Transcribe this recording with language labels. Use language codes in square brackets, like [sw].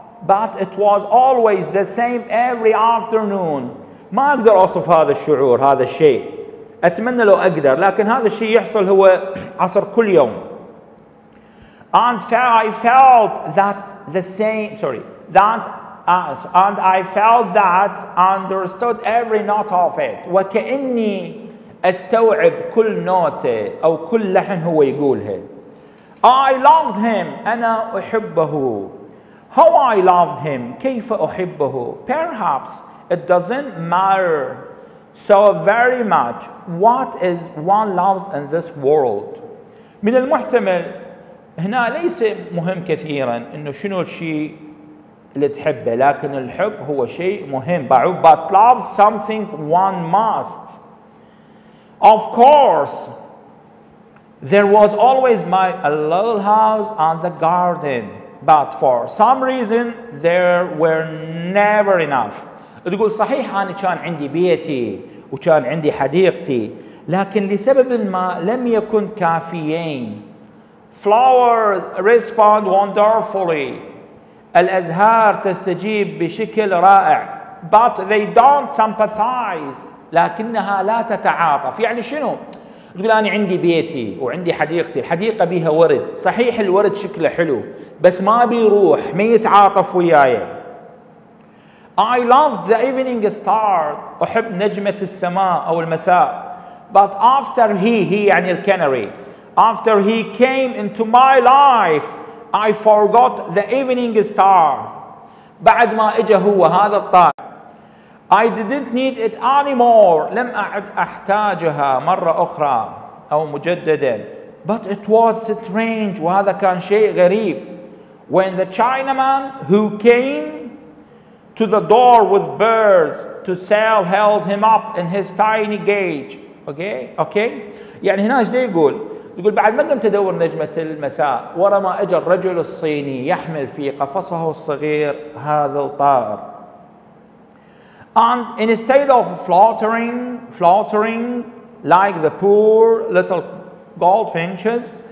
[en] But it was always the same every afternoon. [ar] ما أقدر أوصف هذا الشعور، هذا الشيء. أتمنى لو أقدر، لكن هذا الشيء يحصل هو عصر كل يوم. [en] And I felt that the same. Sorry. That. And I felt that understood every note of it. [ar] وكأني استوعب كل نوتة أو كل لحن هو يقولها. [en] I loved him. [ar] أنا أحبه. [en] How I loved him. [ar] كيف أحبه. [en] Perhaps it doesn't matter so very much what is one loves in this world. [ar] من المحتمل هنا ليس مهم كثيرا إنه شنو الشيء اللي تحبه، لكن الحب هو شيء مهم. [en] But love something one must. Of course, there was always my little house and the garden. But for some reason, there were never enough. [ar] تقول صحيح أنا كان عندي بيتي وكان عندي حديقتي، لكن لسبب ما لم يكن كافيين. [en] Flowers respond wonderfully. [ar] الأزهار تستجيب بشكل رائع. [en] But they don't sympathize. [ar] لكنها لا تتعاطف. يعني شنو؟ تقول أنا عندي بيتي وعندي حديقتي، الحديقة بيها ورد، صحيح الورد شكله حلو بس ما بيروح، ما يتعاطف وياي. [en] I loved the evening star. [ar] أحب نجمة السماء أو المساء. [en] But after he [ar] يعني الكنري. [en] After he came into my life, I forgot the evening star. [ar] بعد ما إجا هو هذا الطائر. [en] I didn't need it anymore. [ar] لم أعد أحتاجها مرة أخرى أو مجددا. [en] But it was strange. [ar] وهذا كان شيء غريب. [en] When the Chinaman who came to the door with birds to sell held him up in his tiny cage. Okay. [ar] يعني هنا إيش يقول؟ يقول بعد ما قمت أدور نجمة المساء، ورا ما أجى الرجل الصيني يحمل في قفصه الصغير هذا الطائر. [en] And instead of fluttering like the poor little goldfinches,